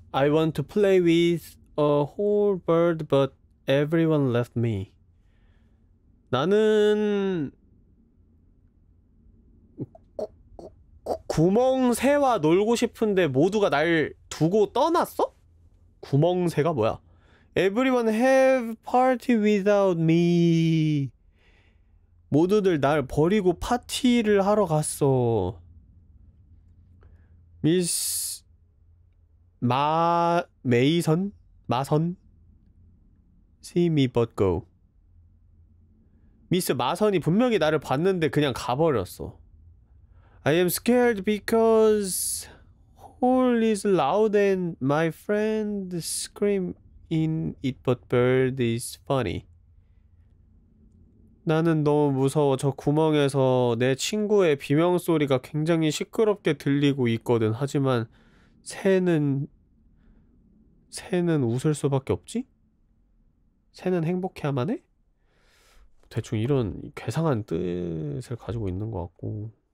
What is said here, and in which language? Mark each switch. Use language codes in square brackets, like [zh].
[en] I want to play with a whole bird, but everyone left me. [ko] 나는 구멍 새와 놀고 싶은데 모두가 날 두고 떠났어? 구멍새가 뭐야? [en] Everyone have party without me. [ko] 모두들 날 버리고 파티를 하러 갔어. Miss 메이선? 마선? [en] See me but go. [ko] Miss 마선이 분명히 나를 봤는데 그냥 가버렸어. [en] I am scared because Hole is loud and my friend scream in it, but bird is funny. [ko] 나는 너무 무서워. 저 구멍에서 내 친구의 비명소리가 굉장히 시끄럽게 들리고 있거든. 하지만 새는 웃을 수밖에 없지? 새는 행복해야만 해? 대충 이런 괴상한 뜻을 가지고 있는 것 같고.